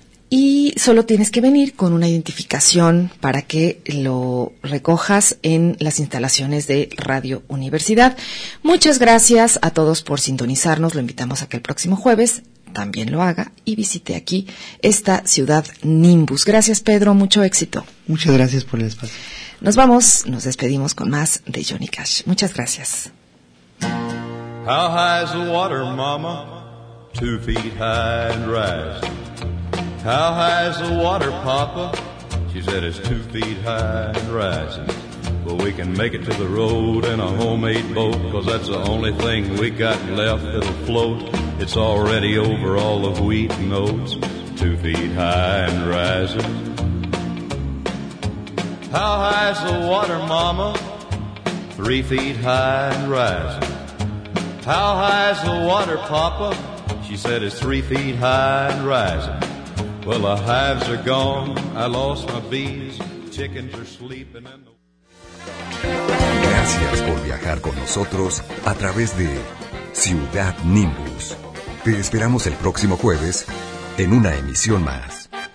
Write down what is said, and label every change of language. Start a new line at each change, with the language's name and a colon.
Spanish: Y solo tienes que venir con una identificación para que lo recojas en las instalaciones de Radio Universidad. Muchas gracias a todos por sintonizarnos. Lo invitamos a que el próximo jueves también lo haga y visite aquí esta ciudad Nimbus. Gracias, Pedro. Mucho éxito. Muchas gracias por el espacio. Nos vamos. Nos despedimos con más de Johnny Cash. Muchas gracias.
English: How high is the water, mama? 2 feet high and rising. How high is the water, papa? She said it's 2 feet high and rising. But we can make it to the road in a homemade boat, 'cause that's the only thing we got left that'll float. It's already over all the wheat notes, 2 feet high and rising. How high is the water, mama? 3 feet high and rising. How high is the water, papa? She said it's 3 feet high and rising. Well, the hives are gone, I lost my bees, chickens are sleeping in the...
Spanish: Gracias por viajar con nosotros a través de Ciudad Nimbus. Te esperamos el próximo jueves en una emisión más.